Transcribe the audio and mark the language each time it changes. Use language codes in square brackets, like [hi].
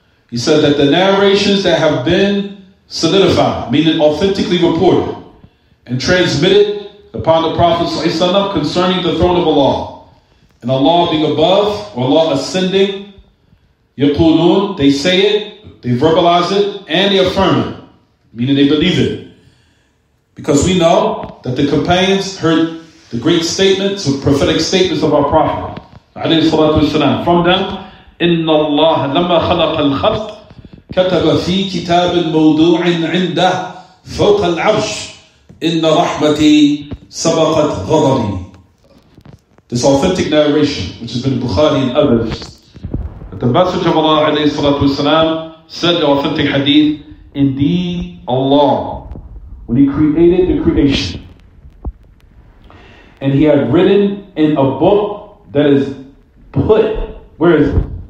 [en] He said that the narrations that have been solidified, meaning authentically reported and transmitted upon the Prophet ﷺ concerning the throne of Allah, and Allah being above, or Allah ascending [ar] يقولون, [en] they say it, they verbalize it, and they affirm it, meaning they believe it. Because we know that the companions heard the great statements, the prophetic statements of our Prophet, عليه الصلاة والسلام, from them, [ar] إِنَّ اللَّهَ لَمَّا خَلَقَ الْخَلْقَ كَتَبَ فِي كِتَابٍ مَوْضُوعٍ عِنْدَهُ فَوْقَ الْعَرْشِ إِنَّ رَحْمَتِي سَبَقَتْ غَضَبِي. [en] This authentic narration, which has been Bukhari and others, that the Messenger of Allah عليه الصلاة والسلام said the authentic hadith, indeed Allah, when He created the creation, and He had written in a book that is put, where is it?